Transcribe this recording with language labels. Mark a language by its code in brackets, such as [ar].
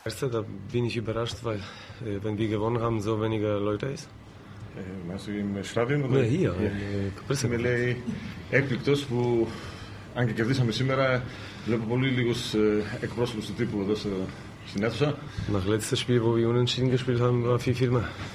[de] Weißt du, da bin ich überrascht, weil wenn wir gewonnen haben, so wenige Leute ist. Meinst du im Stadion oder? Nein, hier. [el] Εκπληκτός που αν και κερδίσαμε σήμερα, βλέπω πολύ λίγους εκπρόσωπους του τύπου εδώ στην αίθουσα. [de] Nach letztes Spiel, wo wir unentschieden gespielt haben, war viel, viel mehr.